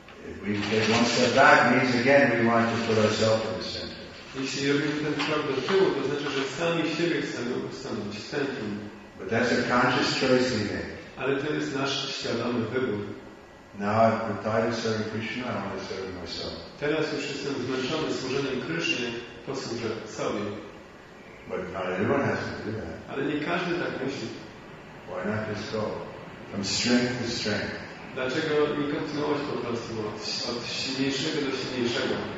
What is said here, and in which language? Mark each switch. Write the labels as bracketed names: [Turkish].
[English] If we take one step back, means again we want to put ourselves in the center. [Polish] Jeśli robimy ten krok do tyłu, to znaczy, że sami siebie chcemy ustanowić w centrum. [English] But that's a conscious choice we make. [Polish] Ale to jest nasz świadomy wybór. [English] Now I'm tired of serving Krishna, I want to serve myself. [Polish] Teraz już jestem zmęczony służeniem Krishnie, posłużę sobie. [English] But not everyone has to do that. [Polish] Ale nie każdy tak myśli. [English] Why not just go from strength to strength? [Polish] Dlaczego nie kontynuować po prostu od silniejszego do silniejszego?